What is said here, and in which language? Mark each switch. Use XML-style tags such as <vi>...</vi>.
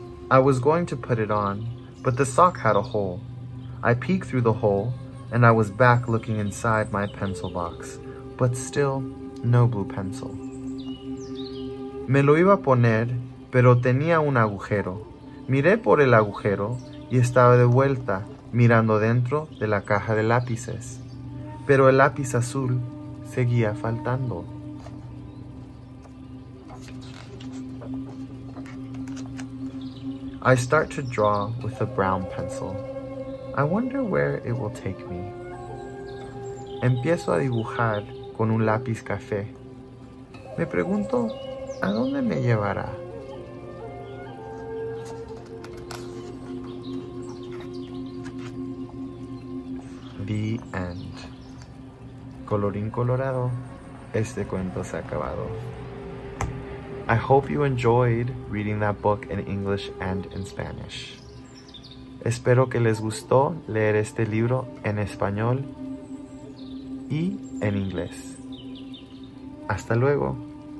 <en>I was going to put it on, but the sock had a hole. I peeked through the hole, and I was back looking inside my pencil box, but still no blue pencil.</en> <es>Me lo iba a poner, pero tenía un agujero. Miré por el agujero y estaba de vuelta, mirando dentro de la caja de lápices. Pero el lápiz azul seguía faltando.</es> <en>I start to draw with a brown pencil. I wonder where it will take me.</en> <es>Empiezo a dibujar con un lápiz café. Me pregunto, ¿a dónde me llevará?</es> <en>The end.</en> <es>Colorín colorado, este cuento se ha acabado.</es> <en>I hope you enjoyed reading that book in English and in Spanish.</en> <es>Espero que les gustó leer este libro en español y en inglés. Hasta luego.</es>